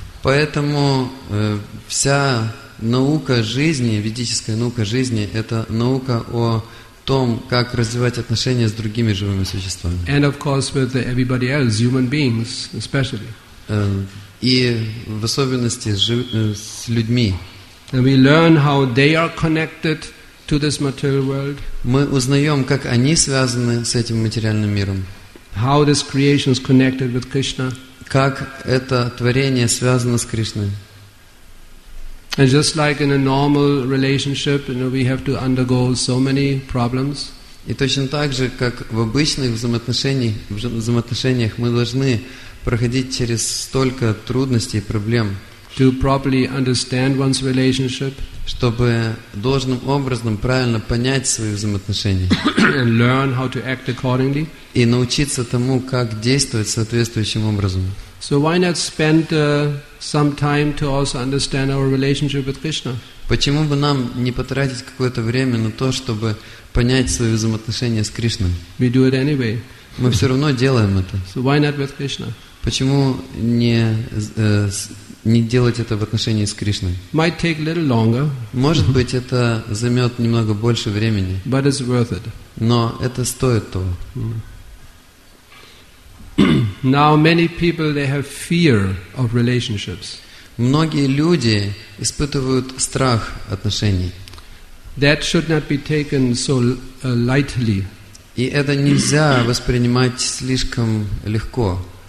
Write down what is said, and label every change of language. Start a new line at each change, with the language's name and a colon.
Russian: Поэтому вся наука жизни, ведическая наука жизни, это наука о том, как развивать отношения с другими живыми существами.
English: And of course with everybody else, human beings especially.
Russian: И в особенности с людьми.
English: And we learn how they are connected to this material world.
Russian: Мы узнаем, как они связаны с этим материальным миром.
English: How this creation is connected with Krishna.
Russian: Как это творение связано с Кришной.
English: And just like in a normal relationship, you know, we have to undergo so many problems.
Russian: И точно так же, как в обычных взаимоотношениях, мы должны проходить через столько трудностей и проблем.
English: To properly understand one's relationship.
Russian: Чтобы должным образом правильно понять свои взаимоотношения.
English: And learn how to act accordingly.
Russian: И научиться тому, как действовать соответствующим образом.
English: So why not spend some time to also understand our relationship with Krishna?
Russian: Почему бы нам не потратить какое-то время на то, чтобы понять свои взаимоотношения с Кришной?
English: We do it anyway.
Russian: Мы все равно делаем это.
English: So why not with Krishna?
Russian: Почему не делать это в отношении с Кришной?
English: Might take a little longer.
Russian: Может быть, это займет немного больше времени.
English: But it's worth it.
Russian: Но это стоит того.
English: Now many people they have fear of relationships.
Russian: Многие люди испытывают страх отношений.
English: That should not be taken so lightly.
Russian: И это нельзя воспринимать слишком легко.